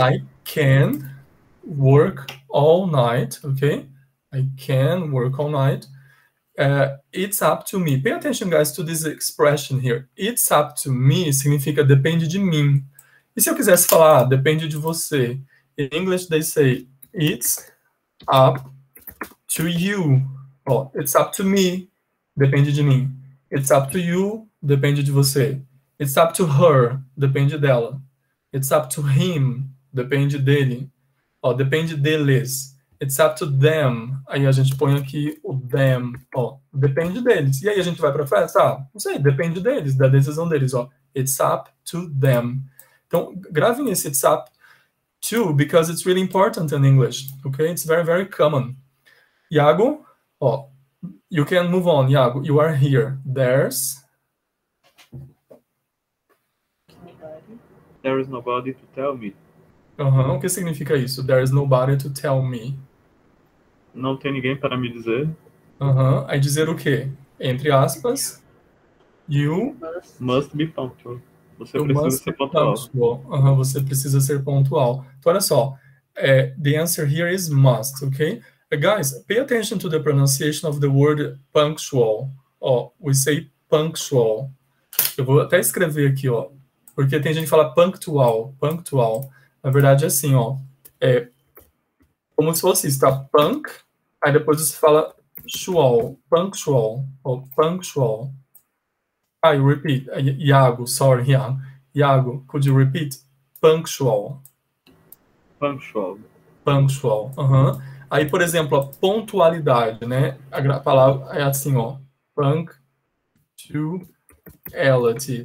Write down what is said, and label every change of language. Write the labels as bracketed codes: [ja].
[en] I can work all night, ok? I can work all night. It's up to me. Pay attention, guys, to this expression here. It's up to me [pt] significa depende de mim. E se eu quisesse falar, depende de você? [en] In English, they say, it's up to you. Oh, it's up to me, [pt] depende de mim. [en] It's up to you, [pt] depende de você. [en] It's up to her, [pt] depende dela. [en] It's up to him, [pt] depende dele. Oh, depende deles. [en] It's up to them. [pt] Aí a gente põe aqui o them. Ó, depende deles. E aí a gente vai para a festa? Ah, não sei, depende deles, da decisão deles. [en] Ó. It's up to them. [pt] Então, gravem esse [en] it's up to, because it's really important in English. Okay? It's very, very common. Iago, ó, you can move on, Iago. You are here. There's... There is nobody to tell me. Uhum. [pt] O que significa isso? [en] There is nobody to tell me. [pt] Não tem ninguém para me dizer. Uhum. Aí dizer o quê? Entre aspas, you [en] must be punctual. [pt] Você precisa ser pontual. Punctual. Uhum. Você precisa ser pontual. Então, olha só. [en] The answer here is must, ok? Guys, pay attention to the pronunciation of the word punctual. Oh, we say punctual. [pt] Eu vou até escrever aqui, ó, porque tem gente que fala punctual, punctual. Na verdade, é assim, ó. É como se fosse isso, tá? Punk, aí depois você fala punctual, punctual, ou punctual. [en] Ah, you repeat. Iago, sorry, Iago. Iago, could you repeat? punctual. Punctual. [pt] Punctual. Uhum. Aí, por exemplo, a pontualidade, né? A palavra é assim, ó. Punctuality.